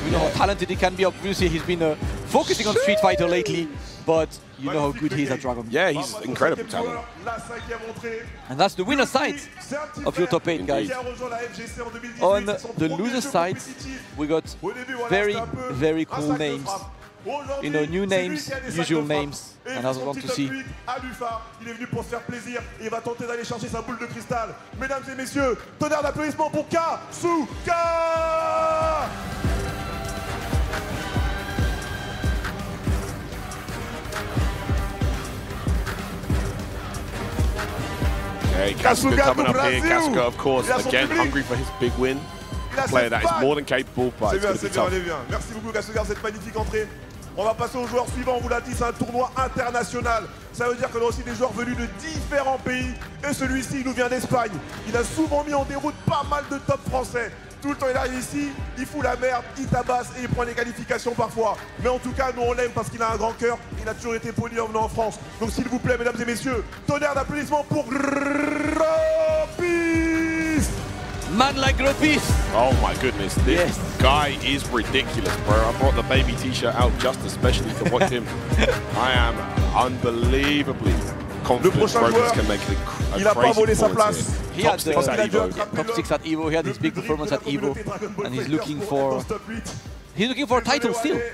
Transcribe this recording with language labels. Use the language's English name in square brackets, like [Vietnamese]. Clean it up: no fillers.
[English] We know how talented he can be. Obviously, he's been focusing on Street Fighter lately. But you know how good he is at Dragon Ball. Yeah, he's incredible talent. And that's the winner side of your top 8, guys. On the loser side, we got very, very cool names. You know, new names, usual names. And I just want to see. [French] Il est venu pour se faire plaisir et va tenter d'aller chercher sa boule de cristal. Mesdames et messieurs, tonnerre d'applaudissements pour Kasuga! [English] Hey, Kasuga coming up here. Kasuga, of course, again, hungry for his big win. A player that is more than capable, but it's going to be tough. [French] Merci beaucoup, Kasuga, cette magnifique entrée. On va passer au joueur suivant, on vous l'a dit, c'est un tournoi international. Ça veut dire qu'on a aussi des joueurs venus de différents pays. Et celui-ci, il nous vient d'Espagne. Il a souvent mis en déroute pas mal de top français. Tout le temps, il arrive ici, il fout la merde, il tabasse et il prend les qualifications parfois. Mais en tout cas, nous, on l'aime parce qu'il a un grand cœur. Il a toujours été poli en venant en France. Donc s'il vous plaît, mesdames et messieurs, tonnerre d'applaudissements pour Gropis. [English] Man like Gropis. Oh my goodness, this guy is ridiculous, bro. I brought the baby t-shirt out just especially to watch him. I am unbelievably confident Gropis can make it a crazy performance [French] sa place. [English] He had the top 6 at Evo, he had his big performance at Evo, and he's looking for a title still,